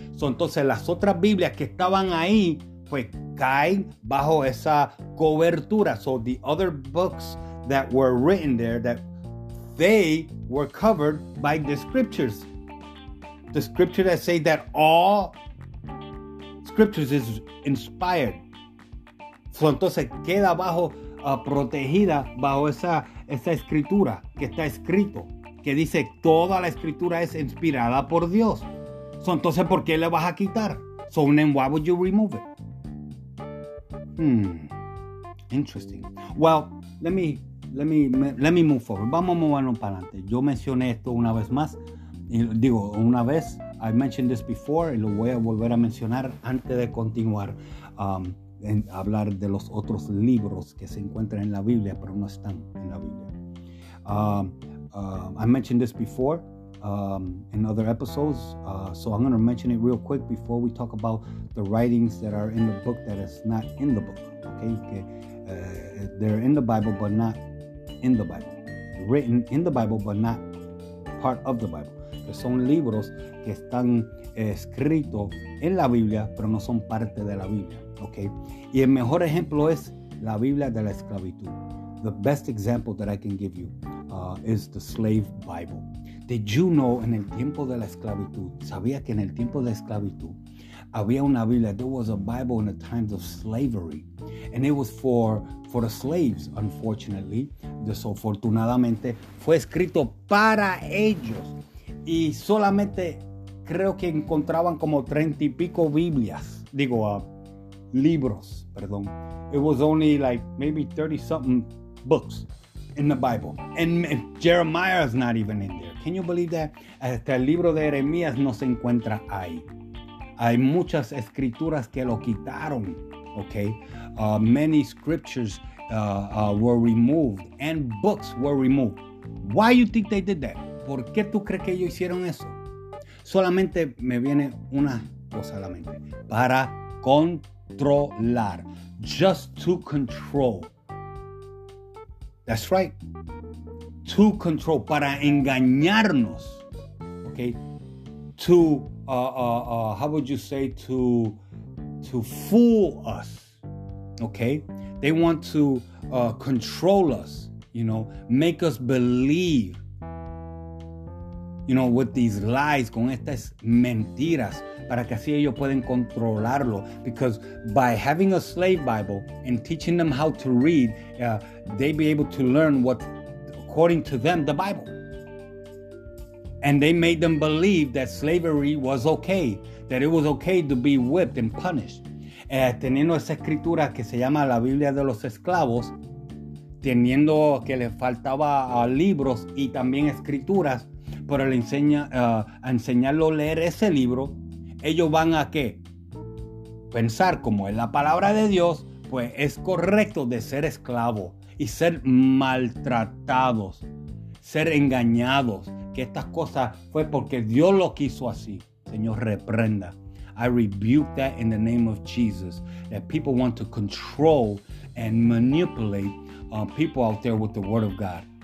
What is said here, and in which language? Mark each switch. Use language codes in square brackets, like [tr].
[es] So, entonces las otras Biblias que estaban ahí, pues caen bajo esa cobertura. [en] So the other books that were written there, that they were covered by the scriptures. The scripture that say that all scriptures is inspired. [es] So, entonces queda bajo, protegida bajo esa escritura que está escrito, que dice toda la escritura es inspirada por Dios. So, entonces, ¿por qué le vas a quitar? [en] So, then why would you remove it? Interesting. Well, let me move forward. [es] Vamos a movernos para adelante. Yo mencioné esto una vez más. Digo, una vez. [en] I mentioned this before. [es] Y lo voy a volver a mencionar antes de continuar. En hablar de los otros libros que se encuentran en la Biblia, pero no están en la Biblia. [en] I mentioned this before in other episodes. So I'm going to mention it real quick before we talk about the writings that are in the book that is not in the book. Okay? Que, they're in the Bible, but not in the Bible. Written in the Bible, but not part of the Bible. [es] Que son libros que están escritos en la Biblia, pero no son parte de la Biblia. Okay? Y el mejor ejemplo es la Biblia de la esclavitud. [en] The best example that I can give you is the slave Bible. Did you know [es] en el tiempo de la esclavitud? Sabía que en el tiempo de esclavitud había una Biblia. [en] There was a Bible in the times of slavery. And it was for the slaves, unfortunately. [es] Desafortunadamente, fue escrito para ellos. Y solamente creo que encontraban como 30 y pico Biblias. Digo, libros, perdón. [en] It was only like maybe 30 something books in the Bible. And Jeremiah is not even in there. Can you believe that? [es] Hasta el libro de Jeremías no se encuentra ahí. Hay muchas escrituras que lo quitaron, okay? [en] Many scriptures were removed and books were removed. Why you think they did that? [es] ¿Por qué tú crees que ellos hicieron eso? Solamente me viene una cosa a la mente. Para controlar. [en] Just to control. That's right. To control. [es] Para engañarnos. [en] Okay? To how would you say, to fool us, okay? They want to control us, you know, make us believe, you know, with these lies, [es] con estas mentiras, [en] para que así ellos pueden controlarlo. Because by having a slave Bible and teaching them how to read, they be able to learn what, according to them, the Bible. And they made them believe that slavery was okay, that it was okay to be whipped and punished. [es] Teniendo esa escritura que se llama la Biblia de los esclavos, teniendo que le faltaba libros y también escrituras, por el enseñarlo a leer ese libro, ellos van a qué? Pensar como es la palabra de Dios, pues es correcto de ser esclavo y ser maltratados, ser engañados, que estas cosas fue porque Dios lo quiso así. Señor, reprenda. [en] I rebuke that in the name of Jesus, that people want to control and manipulate people out there with the word of God.